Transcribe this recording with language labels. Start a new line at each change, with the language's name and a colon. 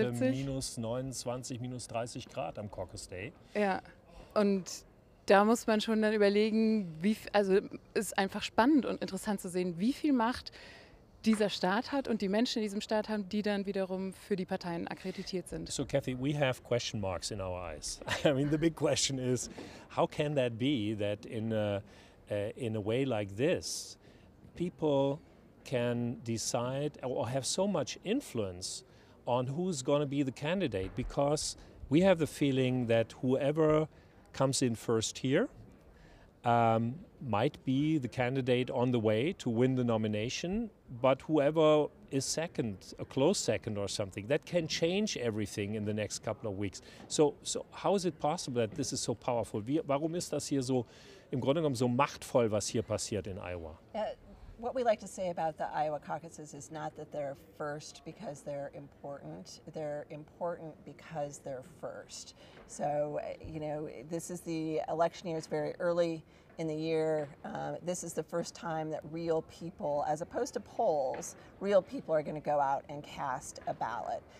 German: Wir haben heute minus 29, minus 30 Grad am Caucus Day. Ja, und da muss man schon dann überlegen, also ist einfach spannend und interessant zu sehen, wie viel Macht dieser Staat hat und die Menschen in diesem Staat haben, die dann wiederum für die Parteien akkreditiert sind.
English: So, Kathie, we have question marks in our eyes. I mean, the big question is, how can that be that in a way like this, people can decide or have so much influence on who's going to be the candidate? Because we have the feeling that whoever comes in first here might be the candidate on the way to win the nomination, but whoever is second, a close second or something, that can change everything in the next couple of weeks. So how is it possible that this is so powerful?
German: Warum ist das hier so, im Grunde genommen, so machtvoll, was hier passiert in Iowa?
English: What we like to say about the Iowa caucuses is not that they're first because they're important. They're important because they're first. So, you know, this is the election year. It's very early in the year. This is the first time that real people, as opposed to polls, real people are going to go out and cast a ballot.